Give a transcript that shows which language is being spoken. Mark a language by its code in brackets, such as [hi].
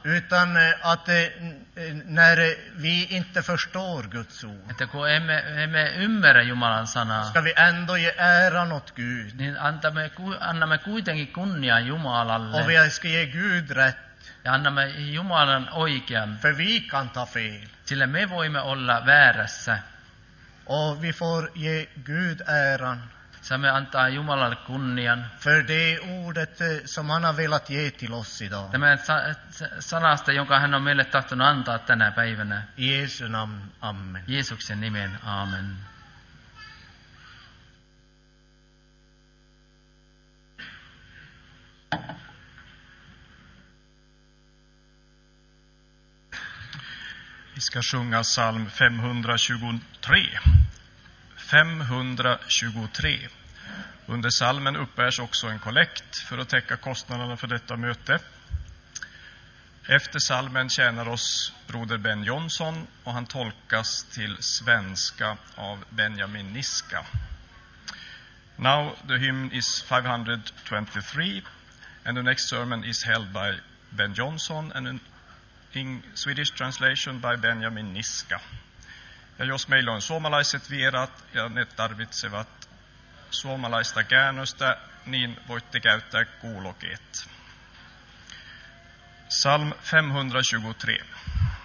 [sv] Utan att när vi inte förstår Guds ord. [fi] Että kun emme ymmärrä Jumalan sanaa. [sv] Ska vi ändå ge äran åt Gud. [fi] Niin annamme kuitenkin kunnian Jumalalle. [sv] Och vi ska ge Gud rätt. [fi] Ja annamme Jumalan oikean. [sv] För vi kan ta fel. [fi] Sillä me voimme olla väärässä. [sv] Och vi får ge Gud äran. [fi] Saamme antaa Jumalalle kunnian. [sv] För det ordet som han har velat ge till oss idag. [fi] Tämän sanasta, jonka hän on meille tahtonut antaa tänä päivänä. Jeesun amen. Jeesuksen nimen, amen. [sv] Vi ska sjunga psalm 523. 523. Under psalmen uppbärs också en kollekt för att täcka kostnaderna för detta möte. Efter psalmen tjänar oss broder Ben Jonsson och han tolkas till svenska av Benjamin Niska. [en] Now the hymn is 523 and the next sermon is held by Ben Jonsson and in Swedish translation by Benjamin Niska. [fi] Ja jos meillä on suomalaiset vierat ja ne tarvitsevat suomalaista käännöstä, niin voitte käyttää kuulokkeet. Psalm 523.